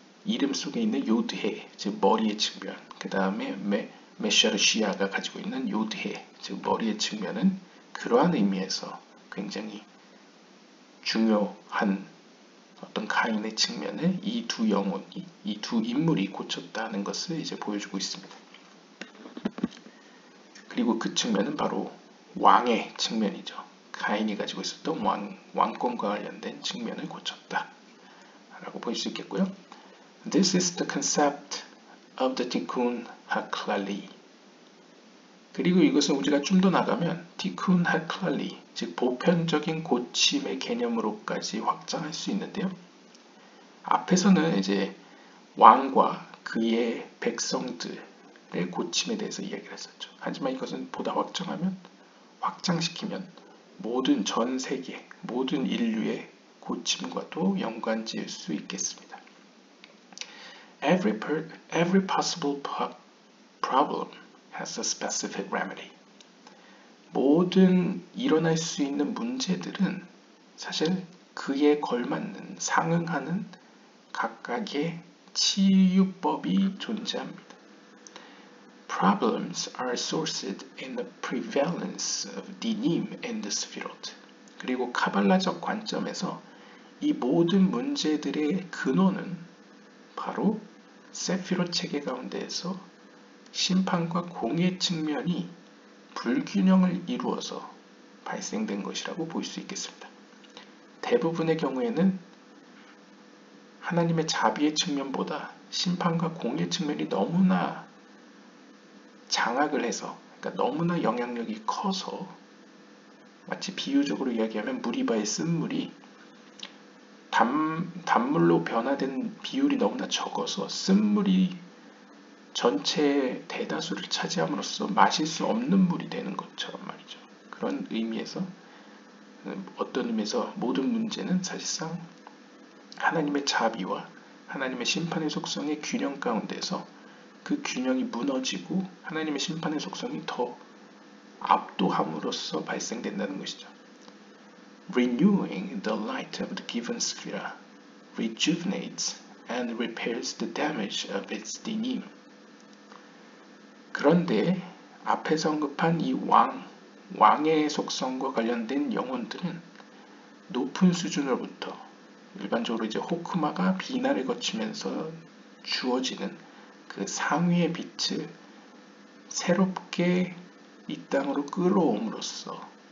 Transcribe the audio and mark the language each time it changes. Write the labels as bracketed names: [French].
[Korean] 이름 속에 있는 요드해, 즉 머리의 측면, 그 다음에 메셔르시아가 가지고 있는 요드해, 즉 머리의 측면은 그러한 의미에서 굉장히 중요한 어떤 가인의 측면을 이 두 영혼, 이 두 인물이 고쳤다는 것을 이제 보여주고 있습니다. 그리고 그 측면은 바로 왕의 측면이죠. 가인이 가지고 있었던 왕권과 관련된 측면을 고쳤다 라고 보실 수 있겠고요. [English] This is the concept of the Tikkun HaKlali. [Korean] 그리고 이것은 우리가 좀 더 나가면 Tikkun HaKlali, 즉 보편적인 고침의 개념으로까지 확장할 수 있는데요. 앞에서는 이제 왕과 그의 백성들의 고침에 대해서 이야기를 했었죠. 하지만 이것은 보다 확장하면, 확장시키면 모든 전 세계, 모든 인류의 고침과도 연관지을 수 있겠습니다. [English] Every possible problem has a specific remedy. [Korean] 모든 일어날 수 있는 문제들은 사실 그에 걸맞는, 상응하는 각각의 치유법이 존재합니다. [English] Problems are sourced in the prevalence of dinim and the sefirot. [Korean] 그리고 카발라적 관점에서 이 모든 문제들의 근원은 바로 세피로 체계 가운데에서 심판과 공의 측면이 불균형을 이루어서 발생된 것이라고 볼 수 있겠습니다. 대부분의 경우에는 하나님의 자비의 측면보다 심판과 공의 측면이 너무나 장악을 해서, 그러니까 너무나 영향력이 커서, 마치 비유적으로 이야기하면 무리바의 쓴물이 단물로 변화된 비율이 너무나 적어서 쓴물이 전체의 대다수를 차지함으로써 마실 수 없는 물이 되는 것처럼 말이죠. 그런 의미에서, 어떤 의미에서 모든 문제는 사실상 하나님의 자비와 하나님의 심판의 속성의 균형 가운데서 그 균형이 무너지고 하나님의 심판의 속성이 더 압도함으로써 발생된다는 것이죠. [English] Renewing the light of the given sphere rejuvenates and repairs the damage of its denim. [Korean] 그런데 앞에서 언급한 이 왕의 속성과 관련된 영혼들은 높은 수준으로부터 일반적으로 이제 호크마가 비나를 거치면서 주어지는 그 상위의 빛을 새롭게 이 땅으로 끌어옴으로써